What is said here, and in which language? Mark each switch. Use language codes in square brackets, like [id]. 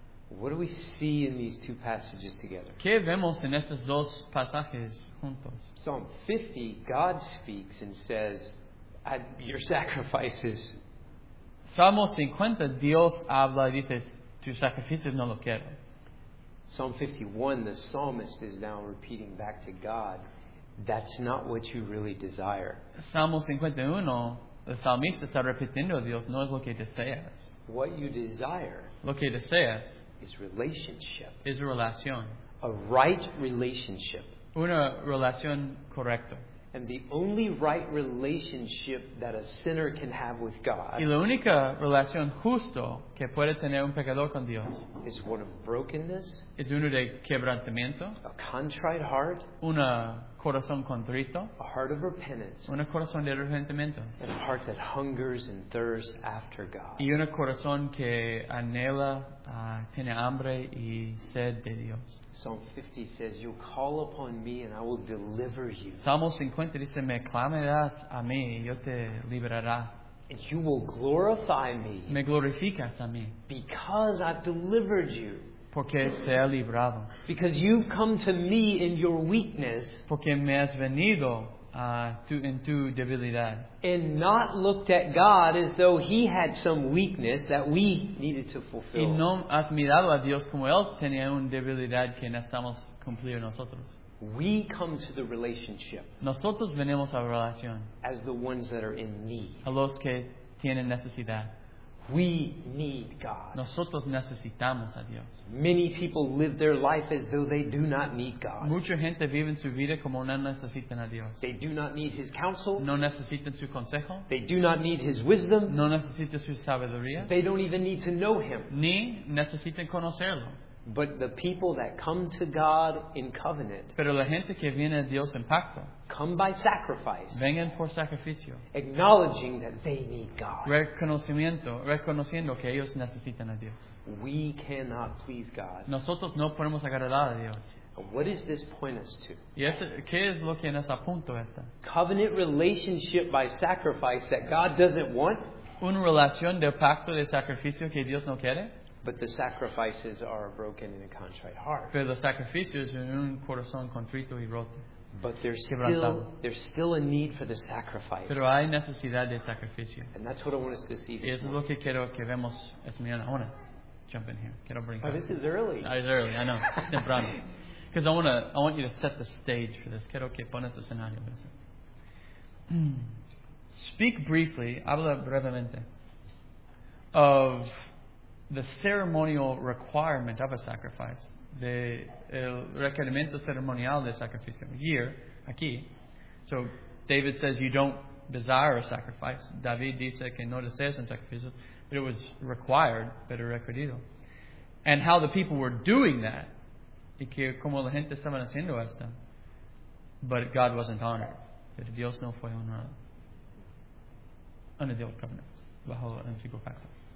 [en] What do we see in these two passages together? [es] ¿Qué vemos en estos dos pasajes juntos? [en] Psalm 50, God speaks and says, your sacrifices. [es] Salmo 50, Dios habla y dice, tus sacrificios no lo quiero. [en] Psalm 51, the psalmist is now repeating back to God, that's not what you really desire. [es] Salmo 51, El salmista está repitiendo a Dios, no es lo que deseas. [en] What you desire, [es] lo que deseas, [en] is relationship. [es] Es relación. [en] A right relationship. [es] Una relación correcta. [en] And the only right relationship that a sinner can have with God, [es] y la única relación justo que puede tener un pecador con Dios, [en] is one of brokenness, [es] es uno de quebrantamiento, [en] a contrite heart, [es] una corazón contrito, [en] a heart of repentance, [es] una corazón de arrepentimiento, [en] and a heart that hungers and thirsts after God, [es] y una corazón que anhela, tiene hambre y sed de Dios. [en] Psalm 50 says, "You'll call upon me, and I will deliver you." [es] Salmo 50 dice, "Me clamarás a mí, y yo te liberará." [en] And you will glorify me. [es] Me glorificas a mí. [en] Because I've delivered you. [es] Porque te he librado. [en] Because you've come to me in your weakness. [es] Porque me has venido en tu debilidad. [en] And not looked at God as though He had some weakness that we needed to fulfill. [es] Y no has mirado a Dios como Él tenía una debilidad que necesitamos cumplir nosotros. [en] We come to the relationship. [es] Nosotros venimos a la relación. [en] As the ones that are in need. [es] A los que tienen necesidad. [en] We need God. [es] Nosotros necesitamos a Dios. [en] Many people live their life as though they do not need God. [es] Mucha gente vive en su vida como no necesitan a Dios. [en] They do not need His counsel. [es] No necesitan su consejo. [en] They do not need His wisdom. [es] No necesitan su sabiduría. [en] They don't even need to know Him. [es] Ni necesitan conocerlo. [en] But the people that come to God in covenant, [es] pero la gente que viene a Dios en pacto, [en] come by sacrifice, [es] vengan por sacrificio, [en] acknowledging that they need God, [es] reconociendo que ellos necesitan a Dios. [en] We cannot please God. [es] Nosotros no podemos agradar a Dios. [en] What does this point us to? [es] Y este, ¿qué es lo que nos apunta esta? [en] Covenant relationship by sacrifice that God doesn't want. [es] Una relación de pacto de sacrificio que Dios no quiere. [en] But the sacrifices are a broken and a contrite heart. [es] Pero los sacrificios en un corazón contrito y roto. [en] But there's still a need for the sacrifice. [es] Pero hay necesidad de sacrificio. [en] And that's what I want us to see. [es] Y eso es lo que quiero que vemos esta mañana. [en] I want to jump in here. [es] Quiero brincar. [en] Oh, this is early. It's early. I know. Temprano. Because I want you to set the stage for this. [es] Quiero que pones el escenario. [en] Speak briefly. [es] Habla brevemente. [en] Of the ceremonial requirement of a sacrifice, the [es] requerimiento ceremonial de sacrificio, [en] here, aquí. So David says you don't desire a sacrifice. [es] David dice que no deseas un sacrificio, [en] but it was required, [es] pero requerido. [en] And how the people were doing that, [es] y que como la gente estaban haciendo esto, [en] but God wasn't honored. [es] Pero Dios no fue honrado. [en] Under the old covenant, [es] bajo el antiguo pacto.